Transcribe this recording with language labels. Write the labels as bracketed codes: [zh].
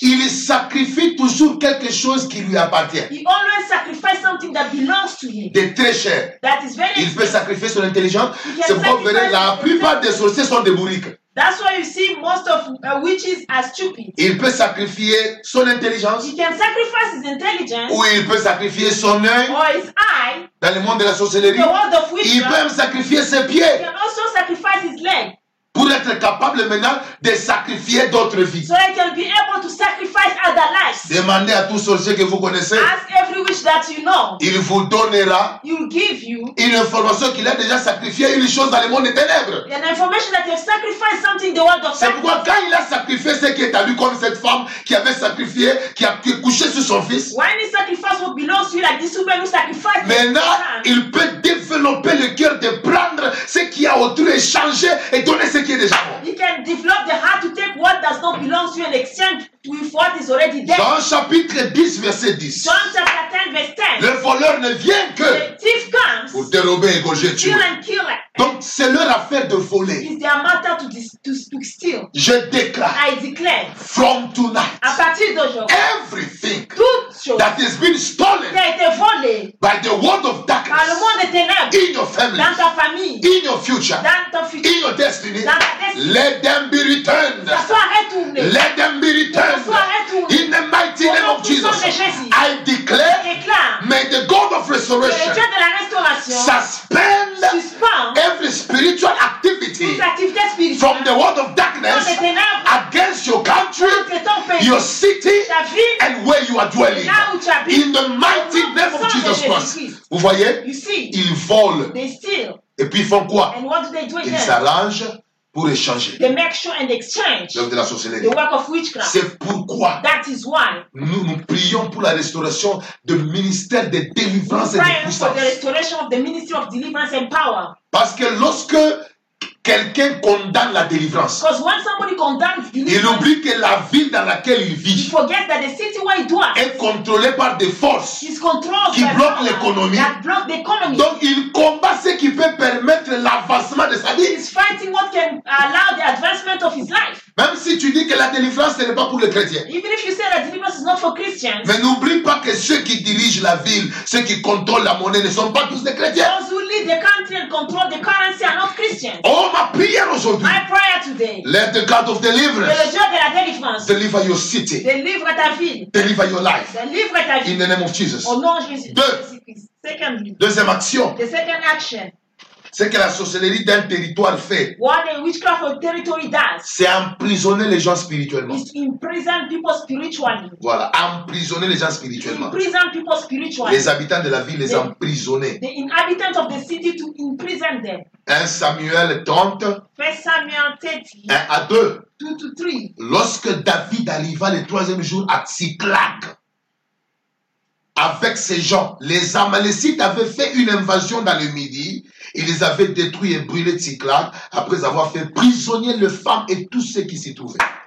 [fr] il sacrifie toujours quelque chose qui lui appartient. [en] He always sacrifice something that belongs to him. [fr] De très cher. [en] That is very [fr] il peut sacrifier son intelligence. C'est pourquoi vous verrez, la plupart des sorciers sont des bourriques. [en] That's why you see most of witches are stupid. [fr] Il peut sacrifier son intelligence. [en] He can sacrifice his intelligence. [fr] Ou il peut sacrifier son œil. [en] Or his eye. [fr] Dans le monde de la sorcellerie. [en] The world of witchcraft. [fr] Il peut même sacrifier ses pieds. [en] He can also sacrifice his leg. [fr] Pour être capable maintenant de sacrifier d'autres vies. [en] So he can be able to sacrifice other lives. [fr] Demandez à tout sorcier que vous connaissez. [en] Ask every witch that you know. [fr] Il vous donnera. [en] He'll give you. [fr] Une information qu'il a déjà sacrifié une chose dans le monde des ténèbres. [en] An information that he has sacrificed something in the world of darkness. [fr] C'est pourquoi quand il a sacrifié ce qui est à lui comme cette femme qui avait sacrifié, qui a couché sur son fils. [en] When he sacrificed what belongs to you like this woman who sacrificed. [fr] Maintenant, il peut développer le cœur de prendre ce qui a autour et changer et donner ce. [en] He can develop the heart to take what does not belong to you and exchange with what is already there. [fr] Jean chapitre 10 verset 10. [en] John chapter 10 verse 10. [fr] Le voleur ne vient que [en] the thief comes [fr] pour dérober, égorger, tuer. [en] Kill and kill it. [fr] Donc c'est leur affaire de voler. [en] It's their matter to steal. [fr] Je déclare. [en] I declare. From tonight. [fr] À partir d'aujourd'hui. [en] Everything. [fr] Tout chose. [en] That has been stolen. [fr] Qui a été volé. [en] By the world of darkness. [fr] Par le monde des ténèbres. [en] In your family. [fr] Dans ta famille. [en] In your future. [fr] Dans ton futur. [en] In your destiny. [fr] Dans ta destinée. [en] Let them be returned. [fr] Ça soit retourné. [en] Let them be returned. [fr] Ça soit retourné. [en] In the mighty name of Jesus. [fr] De Jésus. [en] I declare. [fr] Je déclare. [en] May the God of resurrection. [fr] Le Dieu de la restauration. [en] Suspend. Suspend. Every spiritual activity, [fr] toute spirituelle, [en] from the world of darkness, [fr] toute ténèbres, [en] against your country, [fr] pays, [en] your city, [fr] ta ville, [en] and where you are dwelling, [fr] là où tu habites, [en] in the mighty name of Jesus Christ. [fr] Vous voyez, [en] you see, [fr] ils volent. [en] They steal. [fr] Et puis ils font quoi? [en] And what do they do? [fr] Ils s'arrangent pour échanger. [en] They make sure and exchange. [fr] L'œuvre de la sorcellerie. [en] The work of witchcraft. [fr] C'est pourquoi. [en] That is why. [fr] Nous prions pour la restauration de ministère de délivrance et de puissance. [en] We pray for the restoration of the ministry of deliverance and power. [fr] Parce que lorsque quelqu'un condamne la délivrance, [en] because when somebody condemns deliverance, [fr] il oublie que la ville dans laquelle il vit, [en] he forgets that the city where he dwells, [fr] est contrôlée par des forces, [en] is controlled [fr] qui bloquent l'économie, [en] that block the economy. [fr] Donc il combat ce qui peut permettre l'avancement de sa vie. [en] He is fighting what can allow the advancement of his life. [fr] Même si tu dis que la délivrance n'est pas pour les chrétiens, [en] even if you say that deliverance is not for Christians, [fr] mais n'oublie pas que ceux qui dirigent la ville, ceux qui contrôlent la monnaie, ne sont pas tous des chrétiens. [en] Those who lead the country and control the currency are not Christians. [fr] Oh, ma prière aujourd'hui. [en] My prayer today. Let the God of deliverance. [fr] Le Dieu de la délivrance. [en] Deliver your city. [fr] Délivre ta ville. [en] Deliver your life. [fr] Délivre ta vie. [en] In the name of Jesus. [fr] Au nom de Jésus. Deux. [en] Secondly. [fr] Deuxième action. [en] The second action. [fr] Ce que la sorcellerie d'un territoire fait, [en] what a witchcraft of territory does, [fr] c'est emprisonner les gens spirituellement. [en] It's imprison people spiritually. [fr] Voilà, emprisonner les gens spirituellement. [en] Imprison people spiritually. [fr] Les habitants de la ville, les emprisonner. [en] The inhabitants of the city to imprison them. [fr] 1 Samuel 30. [en] 1 Samuel 30. [fr] 1 à 2. [en] 2 to 3. [fr] Lorsque David arriva le troisième jour à Tsiklag, avec ces gens, les Amalécites avaient fait une invasion dans le midi. Ils avaient détruit et brûlé Tsiklag après avoir fait prisonnier les femmes et tous ceux qui s'y trouvaient.